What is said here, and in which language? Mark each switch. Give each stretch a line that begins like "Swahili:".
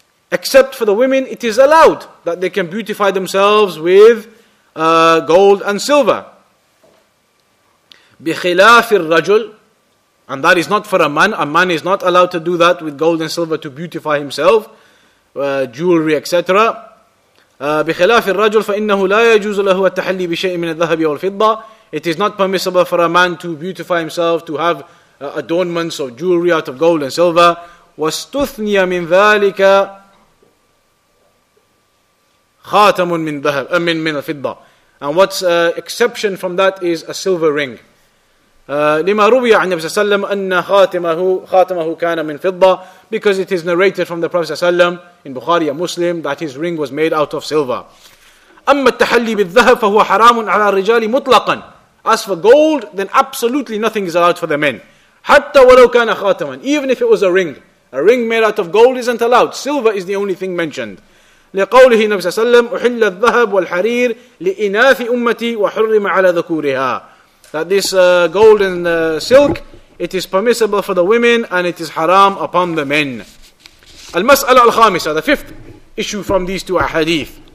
English: Except for the women, it is allowed that they can beautify themselves with gold and silver.
Arabic: بِخِلَافِ الرَّجُلِ,
English: and that is not for a man. A man is not allowed to do that with gold and silver to beautify himself, jewelry, etc.
Arabic: بخلاف الرجل فإنه لا يجوز له التحلي بشيء من الذهب والفضة.
English: It is not permissible for a man to beautify himself, to have adornments or jewelry out of gold and silver.
Arabic: واستثني من ذلك خاتم من ذهب من الفضة.
English: And what's exception from that is a silver ring.
Arabic: لما روي عن النبي صلى الله عليه وسلم أن خاتمه كان من فضة,
English: because it is narrated from the Prophet صلى الله عليه وسلم in Bukhari and Muslim that his ring was made out of silver.
Arabic: أما التحلي بالذهب فهو حرام على الرجال مطلقا.
English: As for gold, then absolutely nothing is allowed for the men.
Arabic: حتى ولو كان خاتما,
English: even if it was a ring. A ring made out of gold isn't allowed. Silver is the only thing mentioned.
Arabic: لقوله النبي صلى الله عليه وسلم أحل الذهب والحرير لإناث أمتي وحرم على ذكورها.
English: That this golden silk, it is permissible for the women and it is haram upon the men.
Arabic: Al-mas'ala al-khamisa,
English: the fifth issue from these two ahadith.